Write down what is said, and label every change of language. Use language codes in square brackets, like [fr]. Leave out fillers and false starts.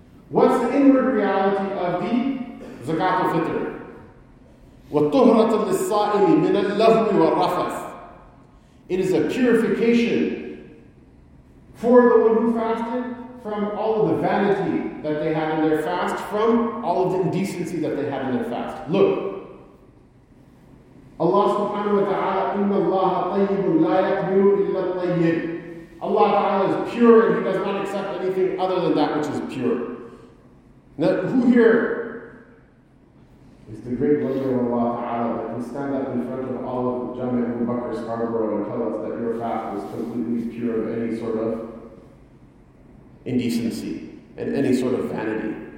[en] What's the inward reality of the Zakat al-Fitr? [ar] وَالطُّهْرَةَ لِلصَّائِمِ مِنَ اللَّهْمِ وَالرَّفَثِ. [en] It is a purification for the one who fasted from all of the vanity that they had in their fast, from all of the indecency that they had in their fast. [ar] Look, Allah subhanahu wa ta'ala, إِنَّ اللَّهَ طَيِّبٌ لَا يَقْبِلُ إِلَّا الطَّيِّبُ. [en] Allah ta'ala is pure and He does not accept anything other than that which is pure. Now, who here is the great wonder of Allah ta'ala that can stand up in front of all of Jamia Abu Bakr Scarborough and tell us that your fast was completely pure of any sort of indecency and any sort of vanity?